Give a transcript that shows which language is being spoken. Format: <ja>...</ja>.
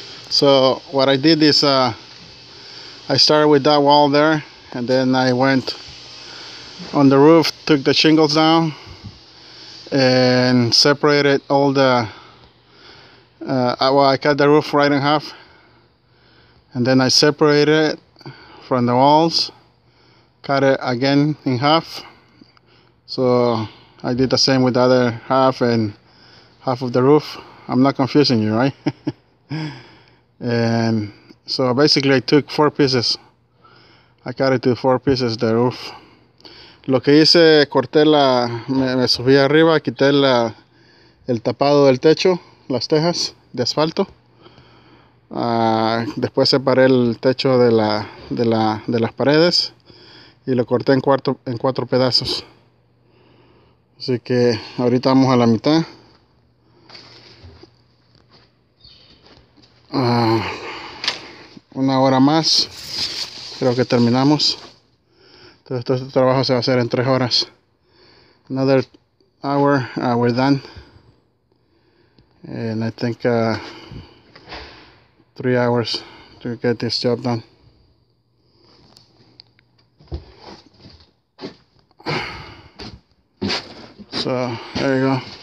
<en>So what I did is I started with that wall there, and then I went on the roof, took the shingles down, and separated all the I cut the roof right in half, and then I separated it from the walls, cut it again in half. So I did the same with the other half and half of the roof. I'm not confusing you, right? And so basically I took four pieces. I cut it to four pieces, the roof.</en> <es>Lo que hice, corté la, me subí arriba, quité la, el tapado del techo, las tejas de asfalto. Después separé el techo de las paredes y lo corté en cuatro pedazos. Así que ahorita vamos a la mitad. Una hora más, creo que terminamos. Entonces todo este trabajo se va a hacer en 3 horas.</es> <en>Another hour, we're done. And I think 3 hours to get this job done. So, there you go.</en>